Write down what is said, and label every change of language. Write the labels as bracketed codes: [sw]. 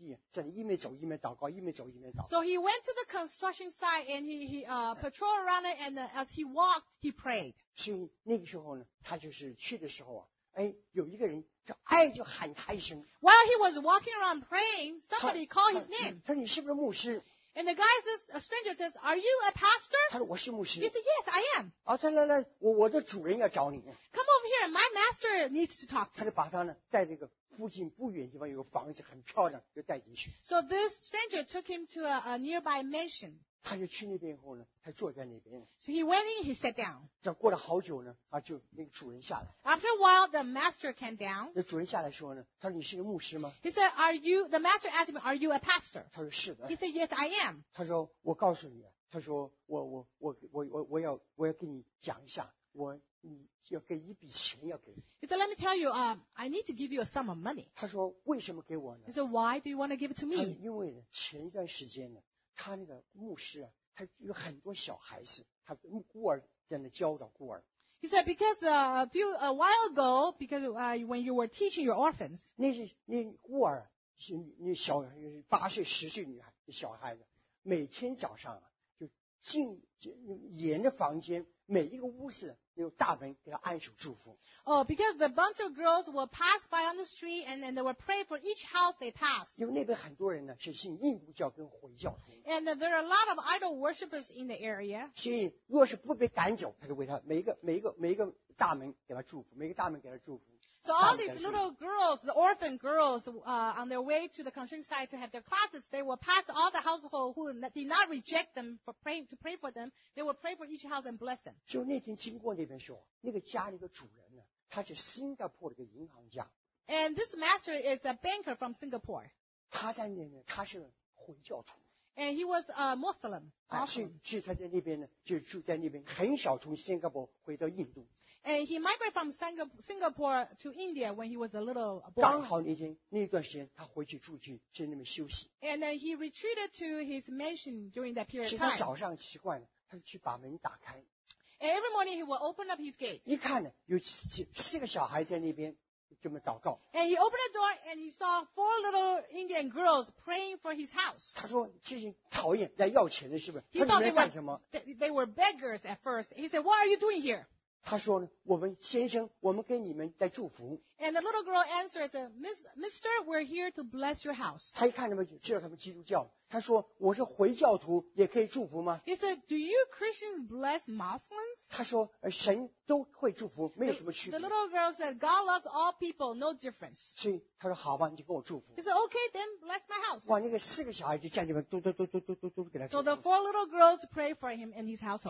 [zh] 在那个会堂那建筑工地，在一面走一面祷告。 [en] So he went to the construction site and he patrolled around it, and as he walked, he prayed. [zh] 所以那个时候呢， 他就是去的时候啊， 有一个人就喊他一声。 [en] While he was walking around praying, somebody called his name. [zh] 他说你是不是牧师？ [en] And the guy says, a stranger says, are you a pastor? [zh] 他说我是牧师。 [en] He said, yes, I am. [zh] 他说来来，我的主人要找你。 [en] Come over here, my master needs to talk to you. [zh] 他就把他呢， 在那个附近不远地方有个房子， 很漂亮， 就带进去。 [en] So this stranger took him to a nearby mansion. [zh] 他就去那边以后呢， 他坐在那边。 [en] So he went in, he sat down. [zh] 这过了好久呢， 就那个主人下来。 [en] After a while, the master came down. [zh] 那主人下来说呢， 他说你是个牧师吗？ [en] He said, are you, the master asked him, are you a pastor? [zh] 他说是的。 [en] He said, yes, I am. [zh] 他说我告诉你，他说我要跟你讲一下，我你要给一笔钱要给。 [en] He said, "Let me tell you, I need to give you a sum of money." [zh] 他说为什么给我呢 [en] ？He said, "Why do you want to give it to me?" [zh] 因为前一段时间呢，他那个牧师啊，他有很多小孩子，他孤儿在那教导孤儿。 [en] He said, "Because a while ago, because when you were teaching your orphans." [zh] 那孤儿是那小八岁十岁女孩小孩子，每天早上啊。进沿着房间每一个屋子有大门给他按手祝福。 [en] Oh, because the bunch of girls will pass by on the street and then they will pray for each house they pass. [zh] 因为那边很多人呢是信印度教跟回教徒。 [en] And there are a lot of idol worshippers in the area. [zh] 所以若是不被赶走，他就为他每一个大门给他祝福，每一个大门给他祝福。 [en] So all these little girls, the orphan girls, on their way to the countryside to have their classes, they will pass all the household who did not reject them for praying, to pray for them. They will pray for each house and bless them. [zh] 就那天经过那边时候，那个家里的主人呢，他是新加坡的一个银行家。 [en] And this master is a banker from Singapore. [zh] 他在那边，他是回教徒。 [en] And he was a Muslim. [zh] 是他在那边呢，就住在那边，很少从新加坡回到印度。 [en] And he migrated from Singapore to India when he was a little boy. [zh] 刚好那天那段时间，他回去住去在那边休息。 [en] And then he retreated to his mansion during that period of time. [zh] 是他早上习惯了，他去把门打开。 [en] And every morning he will open up his gate. [zh] 一看呢，有四个小孩在那边这么祷告。 [en] And he opened the door and he saw four little Indian girls praying for his house. [zh] 他说这些讨厌来要钱的是不是？他们来干什么 [en] ？They were beggars at first. He said, "What are you doing here?" [zh] 他说呢，我们先生，我们给你们在祝福。 [en] And the little girl answers, "Mister, we're here to bless your house." [zh] 他一看他们，知道他们基督教。他说，我是回教徒，也可以祝福吗 [en] ？He said, "Do you Christians bless Muslims?" [zh] 他说，神都会祝福，没有什么区别。 [en] The little girl said, "God loves all people, no difference." [zh] 所以他说，好吧，你就给我祝福。 [en] He said, "Okay, then bless my house." [zh] 哇，那个四个小孩就站在那边，嘟嘟嘟嘟嘟嘟嘟给他祝福。 [en] So the four little girls pray for him and his household.